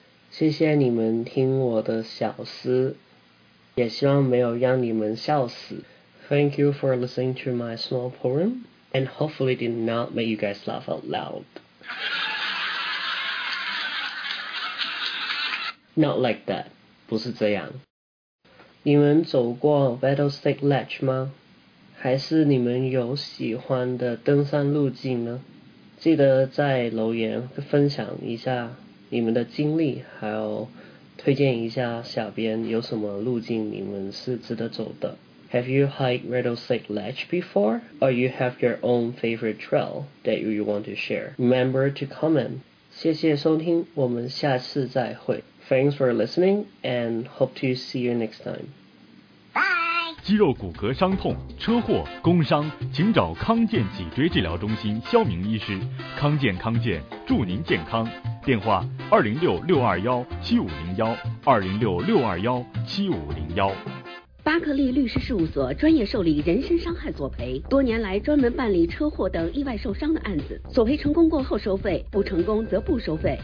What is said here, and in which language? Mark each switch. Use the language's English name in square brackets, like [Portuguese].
[Chinese] 谢谢你们听我的小诗，也希望没有让你们笑死。 [English] Thank you for listening to my small poem, and hopefully did not make you guys laugh out loud. Not like that, [Chinese] 不是这样。你们走过 Rattlesnake Ledge 吗？还是你们有喜欢的登山路径呢？记得在留言分享一下你们的经历，还有推荐一下小编有什么路径你们是值得走的。 [English] Have you hiked Rattlesnake Ledge before? Or you have your own favorite trail that you want to share? Remember to comment. [Chinese] 谢谢收听，我们下次再会。 [English] Thanks for listening and hope to see you next time. Bye! [Chinese] 肌肉骨骼伤痛、车祸、工伤，请找康健脊椎治疗中心肖明医师。康健康健，祝您健康。电话206-621-7501206-621-7501。巴克利律师事务所专业受理人身伤害索赔，多年来专门办理车祸等意外受伤的案子，索赔成功过后收费，不成功则不收费。